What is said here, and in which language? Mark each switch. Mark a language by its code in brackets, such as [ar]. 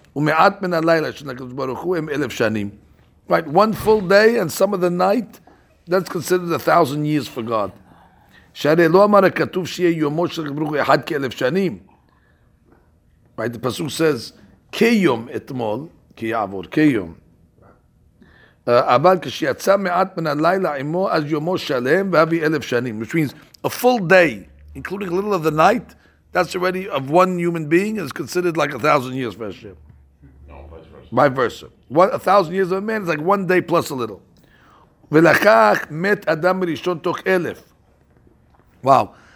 [he] ומעט מן הלילה של הקדוש ברוך הוא הם אלף שנים. [en] Right, one full day and some of the night, that's considered 1,000 years for God. [he] שהרי לא אמר הכתוב שיהיה יומו של הקדוש ברוך הוא אחד כאלף שנים. [en] Right, the pasuk says, [he] כיום אתמול, כי יעבור, כיום. אבל כשיצא מעט מן הלילה עמו, אז יומו שלם והביא אלף שנים. [en] Which means, a full day, including a little of the night, that's already of one human being, is considered like 1,000 years for Hashem. By versa. 1,000 years of a man is like one day plus a little. [he] Velachach met Adam Rishon toch elef. [en] Wow.